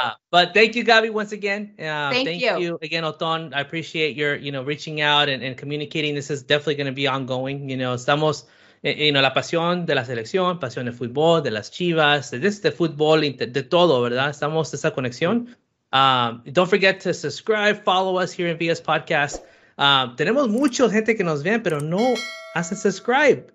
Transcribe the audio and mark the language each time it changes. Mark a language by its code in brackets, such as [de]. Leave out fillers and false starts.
[en] But thank you, Gabby, once again. Thank you again, Otón. I appreciate your, reaching out and communicating. This is definitely going to be ongoing. [es] Estamos, la pasión de la selección, pasión de fútbol, de las Chivas, de fútbol, de todo, ¿verdad? Estamos de esa conexión. [en] Don't forget to subscribe, follow us here in VS Podcast. [es] Tenemos mucha gente que nos ven, pero no hacen subscribe.